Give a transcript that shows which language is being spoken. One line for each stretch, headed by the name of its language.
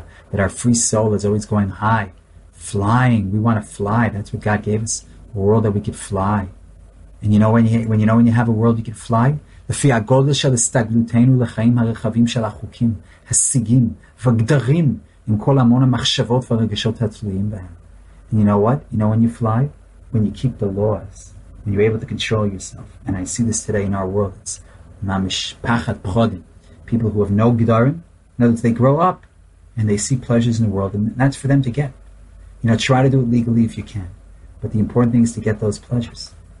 English: That our free soul is always going high, flying. We want to fly. That's what God gave us, a world that we could fly. And you know when you have a world you can fly?
Hebrew: לפי הגודל של הסתגלותנו לחיים הרחבים של החוקים, השיגים, וגדרים, עם כל המון המחשבות והרגשות התלויים בהם.
English: And you know what? You know when you fly? When you keep the laws. When you're able to control yourself. And I see this today in our world. It's mamish pachat pchodim. People who have no gedarim. In other words, they grow up and they see pleasures in the world. And that's for them to get. You know, try to do it legally if you can. But the important thing is to get those pleasures.